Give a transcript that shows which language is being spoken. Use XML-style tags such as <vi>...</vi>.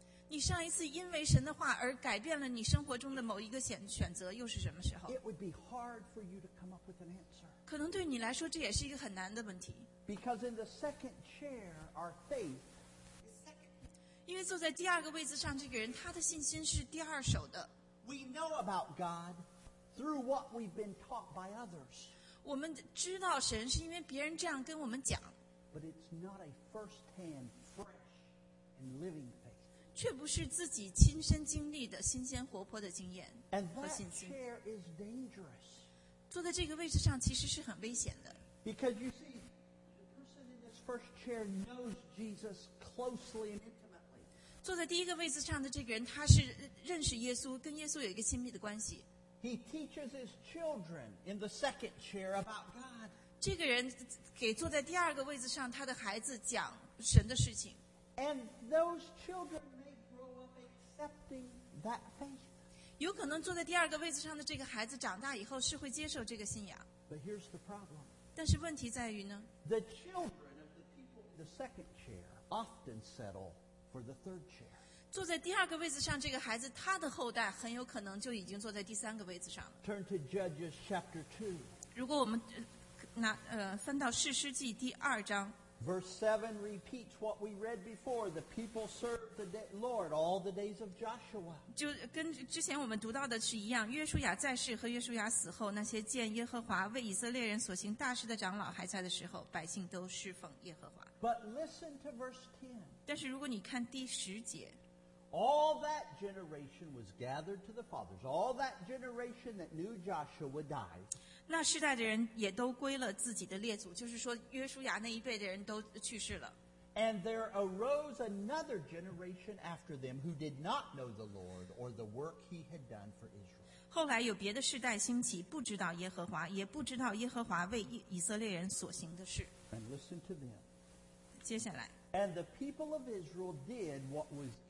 <zh>你上一次因为神的话而改变了你生活中的某一个选择又是什么时候？</zh> <en>It would be hard for you to come up with an answer.</en> <zh>可能对你来说这也是一个很难的问题。</zh> <en>Because in the second chair, our faith,</en> <zh>因为坐在第二个位置上这个人他的信心是第二手的。</zh> <en>We know about God through what we've been taught by others.</en> <zh>我们知道神是因为别人这样跟我们讲。</zh> <en>But it's not a first-hand, fresh, and living faith.</en> <zh>却不是自己亲身经历的新鲜活泼的经验和信心。</zh> <en>And that chair is dangerous.</en> <zh>坐在这个位置上其实是很危险的。</zh> <en>Because you see, the person in this first chair knows Jesus closely and intimately.</en> <zh>坐在第一个位置上的这个人，他是认识耶稣，跟耶稣有一个亲密的关系。</zh> <en>He teaches his children in the second chair about God.</en> <zh>这个人给坐在第二个位置上他的孩子讲神的事情。</zh> <en>And those children may grow up accepting that faith.</en> <zh>有可能坐在第二个位置上的这个孩子长大以后是会接受这个信仰。</zh> <en>But here's the problem.</en> <zh>但是问题在于呢？</zh> <en>The children of the people in the second chair often settle for the third chair.</en> <zh>坐在第二个位置上这个孩子，他的后代很有可能就已经坐在第三个位置上了。</zh> <en>Turn to Judges chapter 2.</en> <zh>如果我们拿翻到士师记第二章。</zh> <en>Verse 7 repeats what we read before. The people served the Lord all the days of Joshua.</en> <zh>就跟之前我们读到的是一样，约书亚在世和约书亚死后，那些见耶和华为以色列人所行大事的长老还在的时候，百姓都侍奉耶和华。</zh> <en>But listen to verse 10.</en> <zh>但是如果你看第十节。</zh> <en>All that generation was gathered to the fathers. All that generation that knew Joshua died.</en> <zh>那世代的人也都归了自己的列祖，就是说约书亚那一辈的人都去世了。</zh> <en>And there arose another generation after them who did not know the Lord or the work he had done for Israel.</en> <zh>后来有别的世代兴起，不知道耶和华，也不知道耶和华为以色列人所行的事。</zh> <en>And listen to them.</en> <zh>接下来。</zh> <en>And the people of Israel did what was</en>